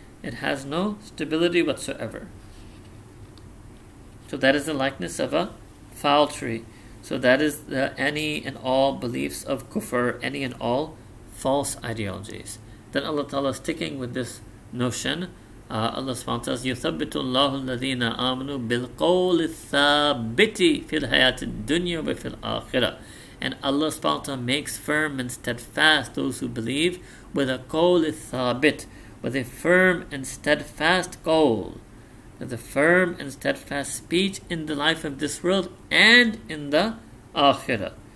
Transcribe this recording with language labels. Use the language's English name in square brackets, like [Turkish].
[English] It has no stability whatsoever. So that is the likeness of a foul tree. So that is the any and all beliefs of kufr, any and all false ideologies. Then Allah Ta'ala is sticking with this notion. Allah subhanahu wa ta'ala says, [Arabic] يُثَبِّتُ اللَّهُ الَّذِينَ آمَنُوا بِالْقَوْلِ الثَّابِتِ فِي الْحَيَاةِ الدُّنْيَا وَفِي الْآخِرَةِ. [English] And Allah subhanahu wa ta'ala makes firm and steadfast those who believe with a qawl thabit, with a firm and steadfast qawl, with a firm and steadfast speech in the life of this world and in the akhirah.